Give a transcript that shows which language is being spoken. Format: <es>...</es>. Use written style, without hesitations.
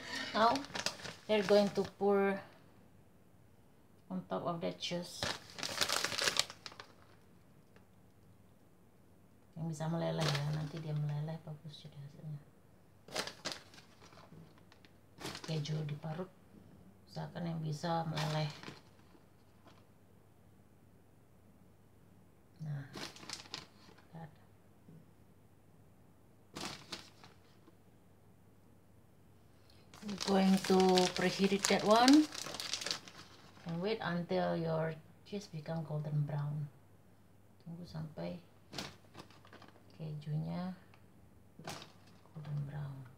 <en>Now we're going to pour on top of that cheese.</en> <id>Yang bisa meleleh ya, nanti dia meleleh bagus jadi hasilnya. Keju diparut, usahakan yang bisa meleleh.</id> <en>Going to preheat that one and wait until your cheese become golden brown.</en> <id>Tunggu sampai kejunya golden brown.</id>